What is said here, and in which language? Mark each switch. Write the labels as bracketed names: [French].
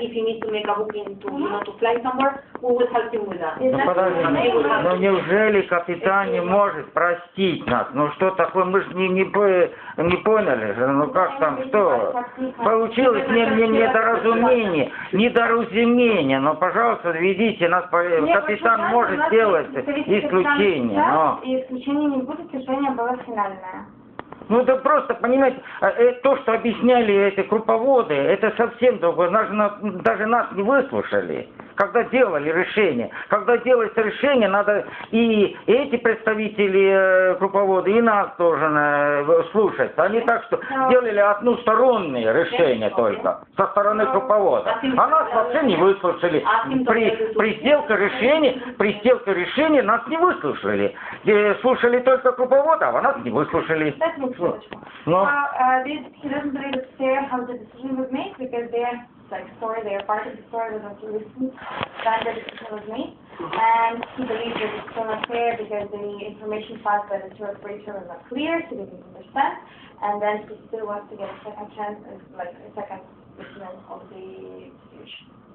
[English] If he needs to make a booking to, you know, to fly somewhere, we will help him with that. [Russian] Ну, подожди, ну неужели капитан не может простить нас? Ну что такое? Мы же не поняли же. Ну как там, что? Получилось недоразумение. Недоразумение. Ну, пожалуйста, ведите нас. Капитан может сделать исключение. И исключения не будет, решение было финальное. Ну это просто, понимаете, то, что объясняли эти круповоды, это совсем другое. Даже нас не выслушали, когда делали решение. Когда делается решение, надо и эти представители круповоды, и нас тоже слушать. А не так, что делали одностороннее решение только со стороны круповода. А нас вообще не выслушали. При сделке решения нас не выслушали. И слушали только круповода, а нас не выслушали. [English] No. He doesn't really understand how the decision was made because they are part of the story was not too recent that the decision was made. And he believes that it's still not fair because the information passed by the tour operator was not clear, he didn't understand. And then he still wants to get a second chance, like a second opinion of the situation.